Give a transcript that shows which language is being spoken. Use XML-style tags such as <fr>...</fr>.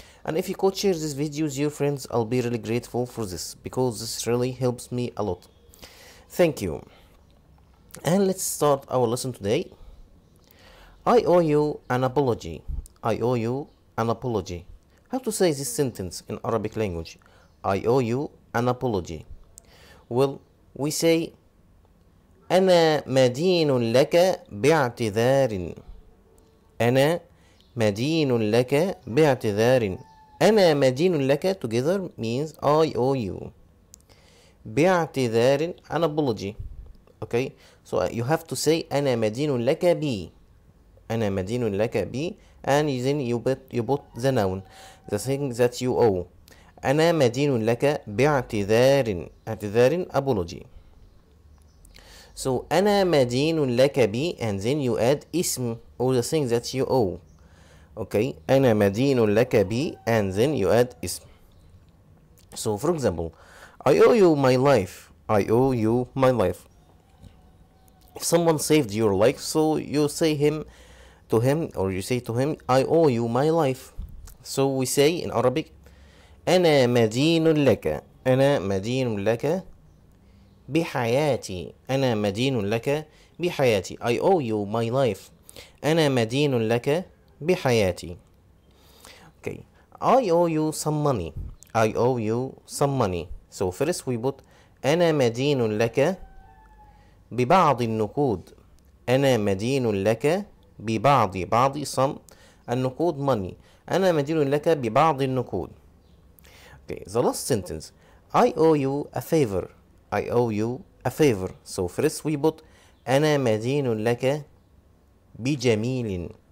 <en>And if you could share this video with your friends, I'll be really grateful for this, because this really helps me a lot. Thank you. And let's start our lesson today. I owe you an apology. I owe you an apology. How to say this sentence in Arabic language? I owe you an apology. Well, we say</en> <ar>أنا مدين لك باعتذار. أنا مدين لك باعتذار. أنا مدين لك</ar> <en>together means I owe you. باعتذار an apology. Okay, so you have to say</en> <ar>أنا مدين لك ب. أنا مدين لك ب.</ar> <en>And then you put the noun, the thing that you owe.</en> <ar>أنا مدين لك باعتذار. اعتذار apology.</ar> <en>So</en> <ar>أنا مدين لك ب.</ar> <en>And then you add اسم or the thing that you owe. Okay,</en> <ar>أنا مدين لك بي,</ar> <en>and then you add اسم. So for example, I owe you my life. I owe you my life. If someone saved your life, so you say him to him, or you say to him, I owe you my life. So we say in Arabic,</en> <ar>أنا مدين لك. أنا مدين لك بحياتي. أنا مدين لك بحياتي.</ar> <en>I owe you my life.</en> <ar>أنا مدين لك بحياتي.</ar> <en>Okay, I owe you some money. I owe you some money. So first we put</en> <ar>أنا مدين لك ببعض النقود. أنا مدين لك ببعض بعض</ar> <en>some</en> <ar>النقود</ar> <en>money.</en> <ar>أنا مدين لك ببعض النقود.</ar> <en>Okay, the last sentence, I owe you a favor. I owe you a favor. So first we put</en> <ar>أنا مدين لك بجميل.</ar>